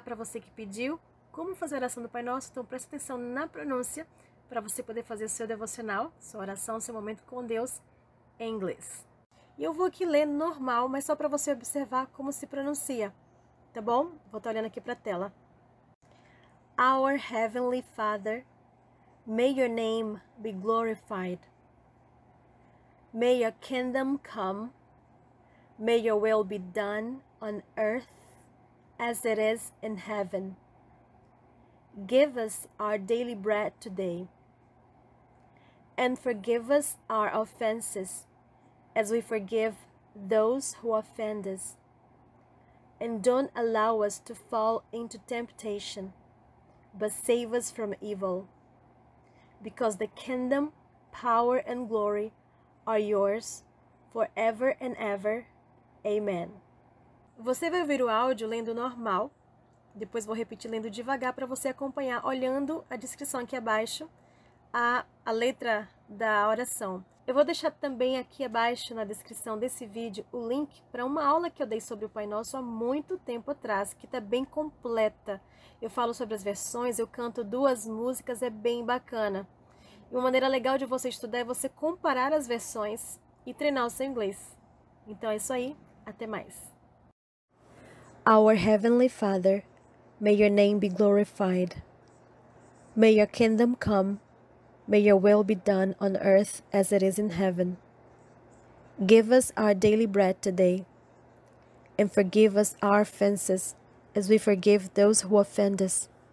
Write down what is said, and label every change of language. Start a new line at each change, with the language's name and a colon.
Portuguese: Para você que pediu, como fazer a oração do Pai Nosso? Então presta atenção na pronúncia para você poder fazer seu devocional, sua oração, seu momento com Deus em inglês. E eu vou aqui ler normal, mas só para você observar como se pronuncia, tá bom? Vou estar olhando aqui para a tela.
English: Our Heavenly Father, may your name be glorified. May your kingdom come. May your will be done on earth as it is in heaven. Give us our daily bread today. And forgive us our offenses, as we forgive those who offend us. And don't allow us to fall into temptation, but save us from evil. Because the kingdom, power, and glory are yours, forever and ever.
Portuguese: Amen. Você vai ouvir o áudio lendo normal. Depois vou repetir lendo devagar para você acompanhar, olhando a descrição aqui abaixo, a letra da oração. Eu vou deixar também aqui abaixo na descrição desse vídeo o link para uma aula que eu dei sobre o Pai Nosso há muito tempo atrás, que está bem completa. Eu falo sobre as versões, eu canto duas músicas, é bem bacana. E uma maneira legal de você estudar é você comparar as versões e treinar o seu inglês. Então é isso aí, até mais!
English: Our Heavenly Father, may your name be glorified. May your kingdom come. May your will be done on earth as it is in heaven. Give us our daily bread today, and forgive us our offenses as we forgive those who offend us.